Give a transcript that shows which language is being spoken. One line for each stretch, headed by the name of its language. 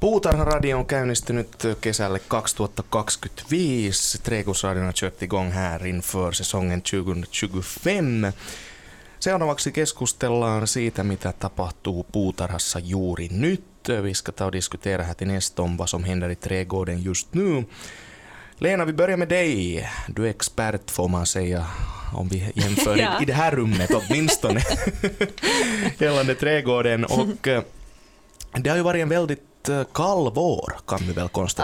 Finnish: Puutarharadio on käynnistynyt kesälle 2025.
Swedish: Trädgårdsradion kört igång här inför säsongen 2025.
Finnish: Seuraavaksi keskustellaan siitä, mitä tapahtuu puutarhassa juuri nyt.
Swedish: Vi ska ta och diskutera här till nästa om vad som händer i trädgården just nu. Lena, vi börjar med dig. Du är expert, får man säga, om vi jämför i det här rummet åtminstone gällande trädgården. Och det har ju varit en väldigt kall vår, kan vi väl konstatera.